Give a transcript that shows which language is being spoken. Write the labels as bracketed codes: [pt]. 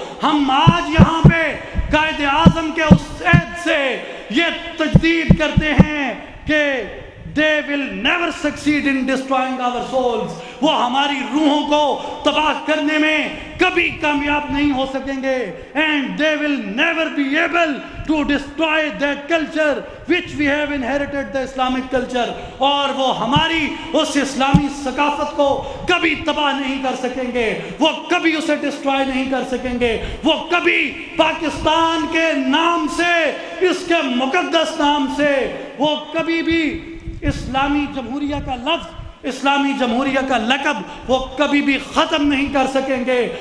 [ur] ہم آج یہاں پہ قائد اعظم کے اس عہد سے یہ تجدید کرتے ہیں کہ [en] they will never succeed in destroying our souls, [ur] وہ ہماری روحوں کو تباہ کرنے میں کبھی کامیاب نہیں ہو سکیں گے. [en] And they will never be able to destroy their culture which we have inherited, the Islamic culture. [ur] اور وہ ہماری اس اسلامی ثقافت کو کبھی تباہ نہیں کر سکیں گے, وہ کبھی اسے destroy نہیں کر سکیں گے, وہ کبھی پاکستان کے نام سے, اس کے مقدس نام سے, وہ کبھی بھی اسلامی جمہوریہ کا لفظ, اسلامی جمہوریہ کا لقب وہ کبھی بھی ختم نہیں کر سکیں گے.